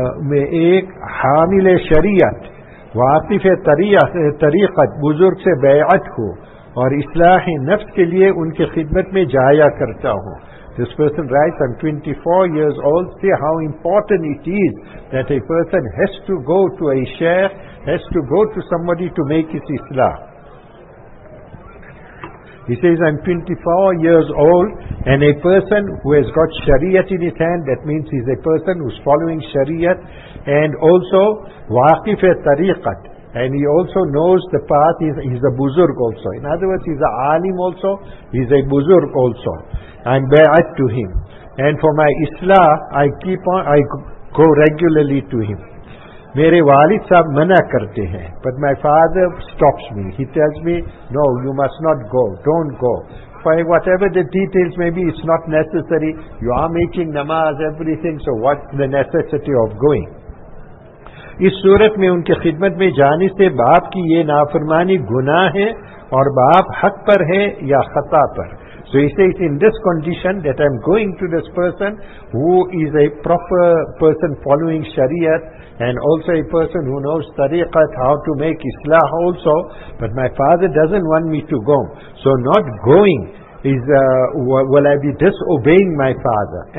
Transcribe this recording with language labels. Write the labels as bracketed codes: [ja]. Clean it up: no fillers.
[ur] میں ایک حامل شریعت واقف طریقت بزرگ سے بیعت ہو اور اصلاح نفس کے لیے ان کی خدمت میں جایا کرتا ہوں. [en] This person writes, I'm 24 years old. See how important it is that a person has to go to a sheikh, has to go to somebody to make his islah. He says, I'm 24 years old, and a person who has got Shariat in his hand, that means he's a person who's following Shariat, and also waqif tariqat, and he also knows the path, he's a buzurg also. In other words, he's an alim also, he's a buzurg also. I'm bay'at to him. And for my islah, I go regularly to him. [ur] میرے والد صاحب منع کرتے ہیں [en] but my father stops me. He tells me, no, you must not go, don't go. For whatever the details may be, it's not necessary. You are making namaz, everything, so what's the necessity of going? [ur] اس صورت میں ان کے خدمت میں جانے سے باپ کی یہ نافرمانی گناہ ہے اور باپ حق پر ہے یا خطا پر. [en] So he says, in this condition that I'm going to this person who is a proper person following Shariat, and also a person who knows tariqat, how to make islah also, but my father doesn't want me to go. So not going, will I be disobeying my father?